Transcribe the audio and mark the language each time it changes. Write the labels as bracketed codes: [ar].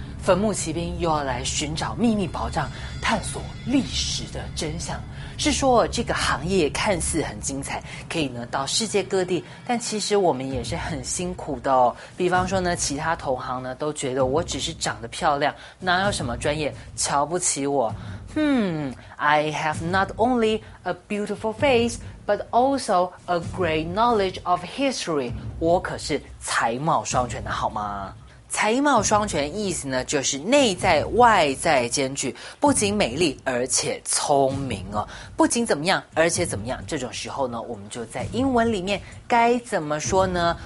[zh] 坟墓奇兵又要来寻找秘密宝藏，探索历史的真相。是说这个行业看似很精彩，可以呢到世界各地，但其实我们也是很辛苦的哦。比方说呢，其他同行呢都觉得我只是长得漂亮，哪有什么专业，瞧不起我。 [en] I have not only a beautiful face, but also a great knowledge of history. [zh] 我可是才貌双全的好吗？才貌双全意思呢，就是内在外在兼具，不仅美丽而且聪明哦。不仅怎么样而且怎么样，这种时候呢，我们就在英文里面该怎么说呢？